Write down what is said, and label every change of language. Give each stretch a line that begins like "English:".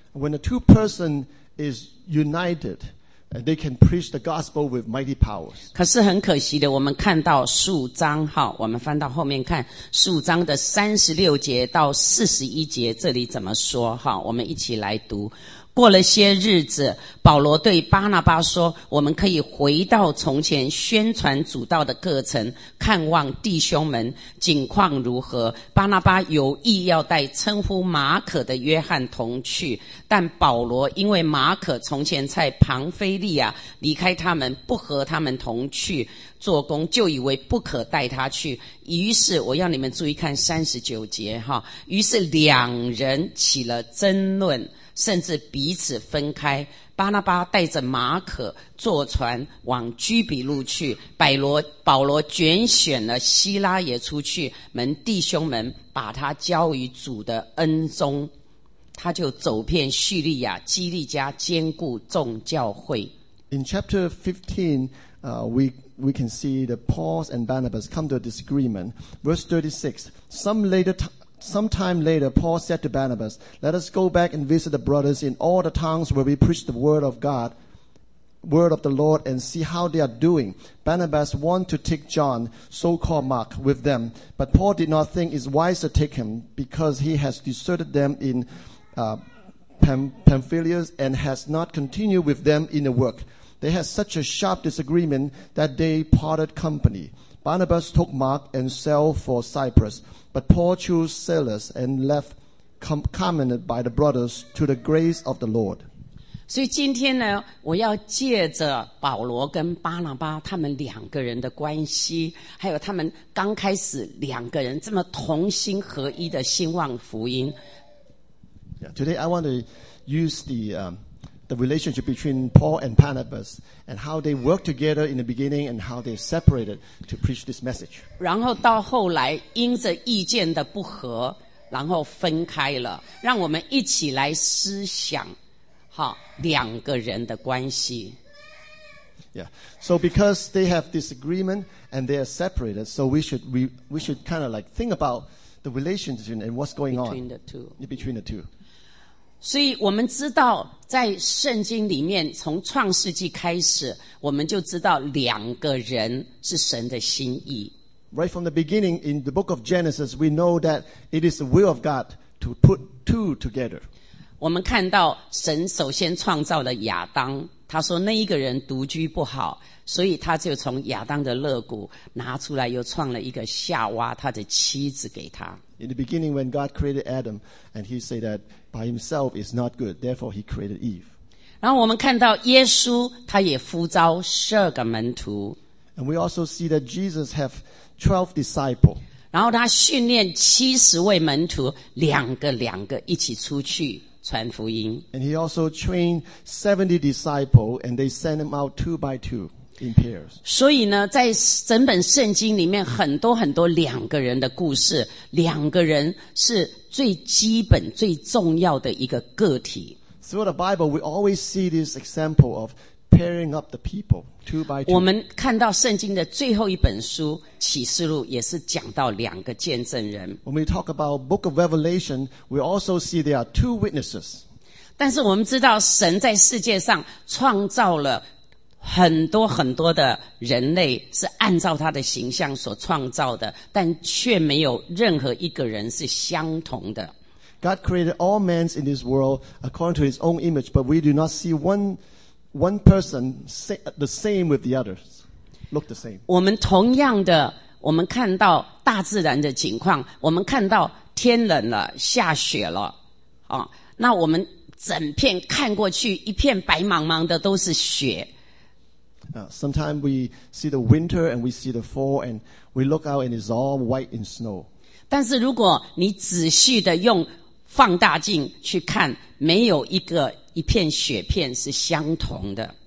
English: When the two person is united, they can preach the gospel with mighty powers.
Chinese: 可是很可惜的，我们看到数章，我们翻到后面看，数章的36节到41节，这里怎么说，我们一起来读。过了些日子，保罗对巴拿巴说，我们可以回到从前宣传主道的各城，看望弟兄们境况如何。巴拿巴有意要带称呼马可的约翰同去，但保罗因为马可从前在庞菲利亚离开他们，不和他们同去做工，就以为不可带他去。于是我要你们注意看39节，于是两人起了争论，甚至彼此分开。巴拿巴带着马可坐船往居比路去，保罗拣选了希拉也出去，门弟兄们把他交于主的恩中，他就走遍叙利亚、基利家，兼顾众教会。
English: In chapter 15, we can see that Paul and Barnabas come to a disagreement. Verse 36, Sometime later, Paul said to Barnabas, let us go back and visit the brothers in all the towns where we preach the word of God, word of the Lord, and see how they are doing. Barnabas wanted to take John, so-called Mark, with them, but Paul did not think it's wise to take him because he has deserted them in Pamphylia and has not continued with them in the work. They had such a sharp disagreement that they parted company. Barnabas took Mark and sailed for Cyprus. But Paul chose Silas and left commended by the brothers to the grace of the Lord.
Chinese: 所以今天呢，我要借着保罗跟巴拿巴他们两个人的关系，还有他们刚开始两个人这么同心合一的兴旺福音。
English: Yeah, today I want to use the relationship between Paul and Barnabas and how they worked together in the beginning and how they separated to preach this message.
Chinese: 然后到后来因着意见的不合然后分开了，让我们一起来思想两个人的关系。
English: Yeah, so because they have disagreement and they are separated, so we should kind of like think about the relationship and what's going between on between the two.
Chinese: 所以我们知道在圣经里面从创世纪开始我们就知道两个人是神的心意。
English: Right from the beginning in the book of Genesis, we know that it is the will of God to put two together.
Chinese: 我们看到神首先创造了亚当，他说那一个人独居不好，所以他就从亚当的肋骨拿出来又创了一个夏娃，他的妻子给他。
English: In the beginning when God created Adam, and he said that by himself is not good, therefore he created Eve.
Chinese: 然后我们看到耶稣他也呼召十二个门徒。
English: And we also see that Jesus have 12 disciples.
Chinese: 然后他训练70位门徒两个两个一起出去传福音。
English: And he also trained 70 disciples and they sent them out two by two.
Chinese: 所以呢，在整本圣经里面很多很多两个人的故事，两个人是最基本最重要的一个个体。
English: Throughout the Bible we always see this example of pairing up the people two by two.
Chinese: 我们看到圣经的最后一本书启示录也是讲到两个见证人。
English: When we talk about book of Revelation we also see there are two witnesses.
Chinese: 但是我们知道神在世界上创造了很多很多的人类是按照他的形象所创造的，但却没有任何一个人是相同的。
English: God created all men in this world according to his own image, but we do not see one person the same with the others. Look the same.
Chinese: 我们同样的，我们看到大自然的情况，我们看到天冷了，下雪了，啊，那我们整片看过去一片白茫茫的都是雪。
English: Sometimes we see the winter and we see the fall and we look out and it's all white in snow.
Chinese: 但是如果你仔细的用放大镜去看，没有一个一片雪片是相同的。